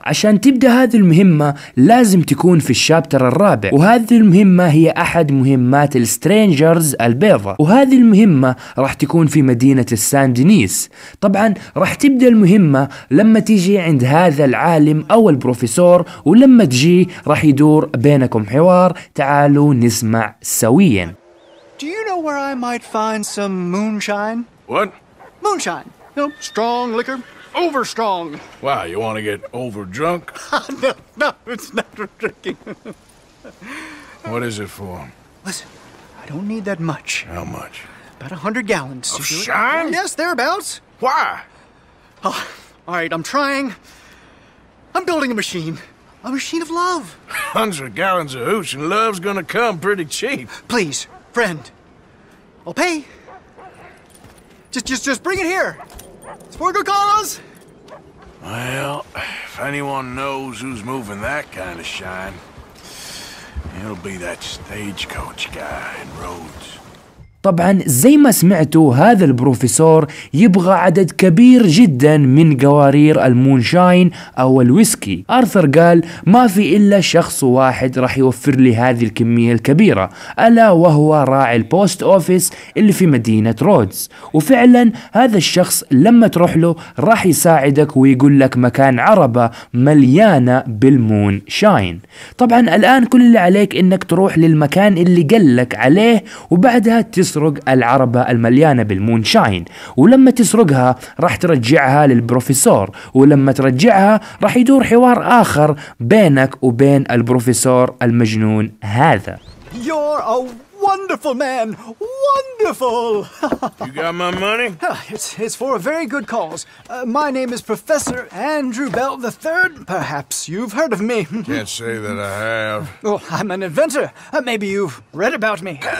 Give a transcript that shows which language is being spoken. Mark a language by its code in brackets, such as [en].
[ar] عشان تبدأ هذه المهمة لازم تكون في الشابتر الرابع، وهذه المهمة هي احد مهمات السترينجرز البيضة، وهذه المهمة راح تكون في مدينة السان دينيس. طبعا راح تبدأ المهمة لما تيجي عند هذا العالم او البروفيسور، ولما تجي راح يدور بينكم حوار. تعالوا نسمع سويا. [en] Do you know where I might find some moonshine? What? Moonshine. No, strong liquor. Over strong. Wow, you want to get over drunk? No, it's not for drinking. What is it for? Listen, I don't need that much. How much? About 100 gallons. Of shine? Oh, yes, thereabouts. Why? Oh, all right, I'm trying. I'm building a machine. A machine of love. 100 gallons of hooch and love's gonna come pretty cheap. Please, friend. I'll pay. Just bring it here. It's for a good cause. Well, if anyone knows who's moving that kind of shine, it'll be that stagecoach guy in Rhodes. [ar] طبعا زي ما سمعتوا، هذا البروفيسور يبغى عدد كبير جدا من قوارير المونشاين او الويسكي. ارثر قال ما في الا شخص واحد راح يوفر لي هذه الكمية الكبيرة، الا وهو راعي البوست اوفيس اللي في مدينة رودز. وفعلا هذا الشخص لما تروح له راح يساعدك ويقول لك مكان عربة مليانة بالمونشاين. طبعا الان كل اللي عليك انك تروح للمكان اللي قال لك عليه، وبعدها تسرق العربة المليانة بالمونشاين، ولما تسرقها راح ترجعها للبروفيسور، ولما ترجعها راح يدور حوار آخر بينك وبين البروفيسور المجنون هذا. [en] You're a wonderful man, wonderful. You got my money? It's for a very good cause. My name is Professor Andrew Bell III. Perhaps you've heard of me. Can't say that I have. Oh, I'm an inventor. Maybe you've read about me.